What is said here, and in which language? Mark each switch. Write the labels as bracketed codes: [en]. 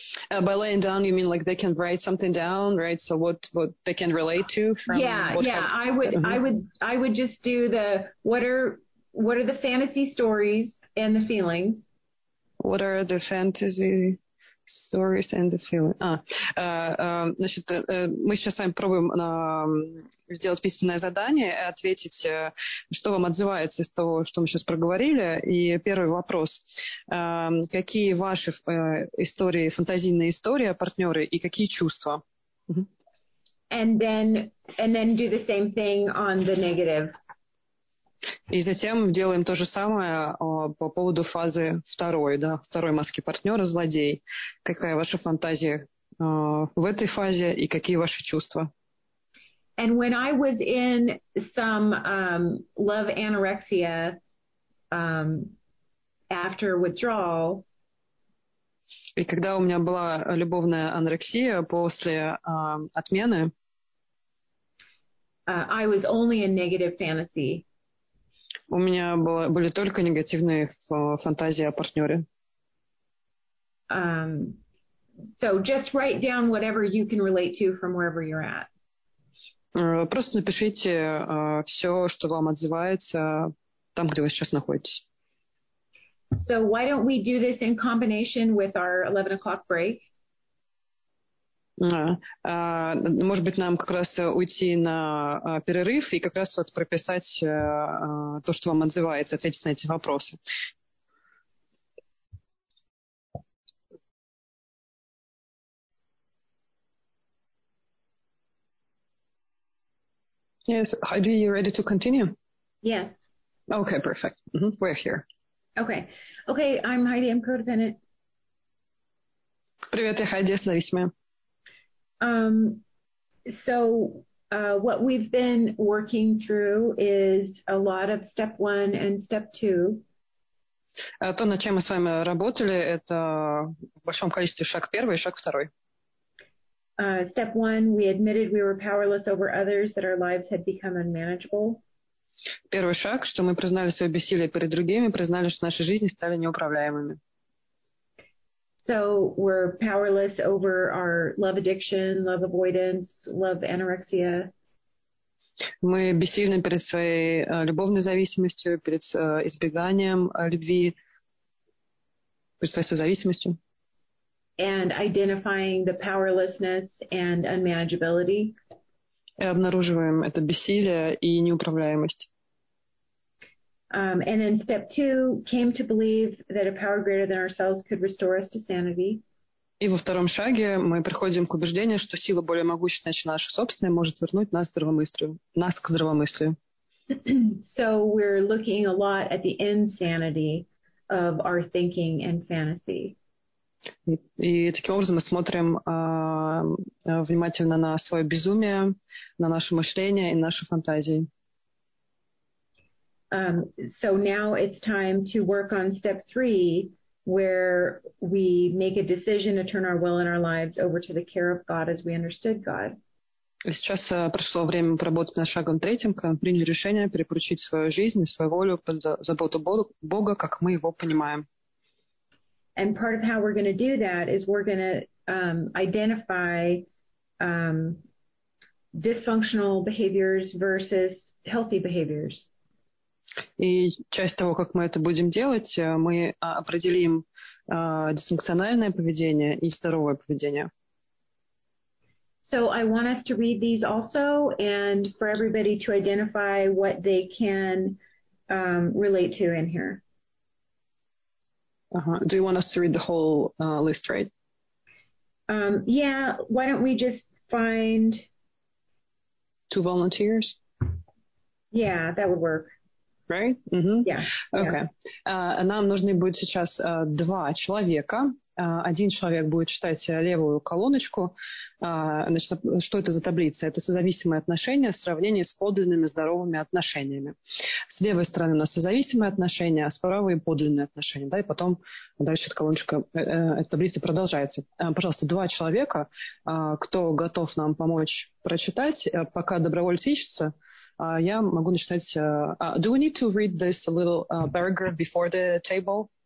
[en] By laying down, you mean like they can write something down, right? So what they can relate to from I would just do the what are the fantasy stories and the feelings. What are the fantasy stories and the feelings? [ru] Значит, мы сейчас с вами пробуем сделать письменное задание и ответить, что вам отзывается из того, что мы сейчас проговорили. И первый вопрос. Какие ваши истории, фантазийные истории, партнеры, и какие чувства? [en] And then do the same thing on the negative. [ru] И затем делаем то же самое по поводу фазы второй, да, второй маски партнера, злодей. Какая ваша фантазия в этой фазе и какие ваши чувства? [en] And when I was in some love anorexia after withdrawal. [ru] И когда у меня была любовная анорексия после отмены. [en] I was only in negative fantasy. [ru] У меня были только негативные фантазии о партнере. [en] So just write down whatever you can relate to from wherever you're at. [ru] Просто напишите все, что вам отзывается там, где вы сейчас находитесь. [en] So why don't we do this in combination with our 11 o'clock break? [ru] Может быть, нам как раз уйти на перерыв и как раз вот прописать то, что вам отзывается, ответить на эти вопросы. [en] Yes, are you ready to continue? Yes. Okay, perfect. Mm-hmm. We're here. Okay. Okay, I'm Heidi, I'm codependent. [ru] Привет, я Heidi, я зависимая. [en] So what we've been working through is a lot of step one and step two. [ru] То, над чем мы с вами работали, это в большом количестве шаг первый и шаг второй. [en] Step one, we admitted we were powerless over others, that our lives had become unmanageable. [ru] Первый шаг, что мы признали свое бессилие перед другими, признали, что наши жизни стали неуправляемыми. [en] So we're powerless over our love addiction, love avoidance, love anorexia. [ru] Мы бессильны перед своей любовной зависимостью, перед избеганием любви, перед своей созависимостью. [en] And identifying the powerlessness and unmanageability. [ru] И обнаруживаем это бессилие и неуправляемость. [en] And then step two, came to believe that a power greater than ourselves could restore us to sanity. [ru] И во втором шаге мы приходим к убеждению, что сила более могущественная, чем наша собственная, может вернуть нас к здравомыслию. [en] So we're looking a lot at the insanity of our thinking and fantasy. [ru] И таким образом мы смотрим внимательно на свое безумие, на наше мышление и наши фантазии. [en] So now it's time to work on step three, where we make a decision to turn our will and our lives over to the care of God as we understood God. [ru] И сейчас прошло время поработать над шагом третьим, когда мы приняли решение перепоручить свою жизнь и свою волю под заботу Бога, как мы его понимаем. [en] And part of how we're going to do that is we're going to identify dysfunctional behaviors versus healthy behaviors. [ru] И часть того, как мы это будем делать, мы определим дисфункциональное поведение и здоровое поведение. [en] So I want us to read these also and for everybody to identify what they can relate to in here. Uh-huh. Do you want us to read the whole list, right? Yeah, why don't we just find... Two volunteers? Yeah, that would work. Right? Mm-hmm. Yeah. Okay. Yeah. [ru] Нам нужны будет сейчас два человека. Один человек будет читать левую колоночку. Значит, что это за таблица? Это созависимые отношения в сравнении с подлинными здоровыми отношениями. С левой стороны у нас созависимые отношения, а с правой – подлинные отношения. Да, и потом дальше эта колоночка, эта таблица продолжается. Пожалуйста, два человека, кто готов нам помочь прочитать, пока добровольцы ищутся, я могу начинать... [en] do we need to read this a little paragraph before the table?